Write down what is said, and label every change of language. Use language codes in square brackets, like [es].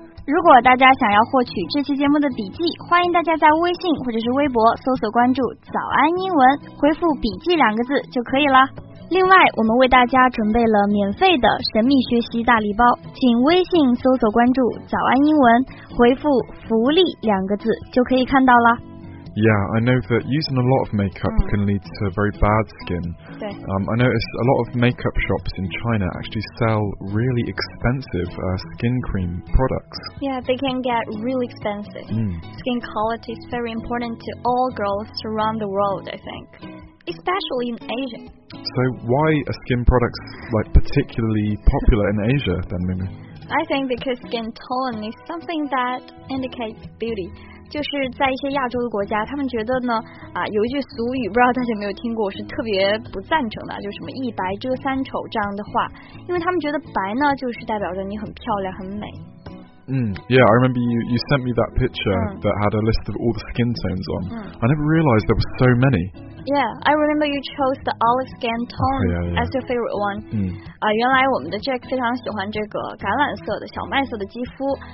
[zh] 如果大家想要获取这期节目的笔记，欢迎大家在微信或者是微博搜索关注早安英文，回复笔记两个字就可以了。另外，我们为大家准备了免费的神秘学习大礼包，请微信搜索关注早安英文，回复福利两个字就可以看到了。 [en] Yeah, I know that using a lot of makeup can lead to very bad skin. I noticed a lot of makeup shops in China actually sell really expensive skin cream products. Yeah, they can get really expensive. Skin quality is very important to all girls around the world, I think. Especially in Asia. So why are skin products like particularly popular in Asia then, Mimi? I think because skin tone is something that indicates beauty. [zh] 就是在一些亚洲的国家，他们觉得呢，啊，有一句俗语，不知道大家有没有听过，我是特别不赞成的，就是什么一白遮三丑这样的话，因为他们觉得白呢，就是代表着你很漂亮，很美。 [en] Yeah, I remember you sent me that picture that had a list of all the skin tones on. I never realized there were so many. Yeah, I remember you chose the olive skin tone as your favorite one. [zh] 原来我们的 Jack 非常喜欢这个橄榄色的小麦色的肌肤。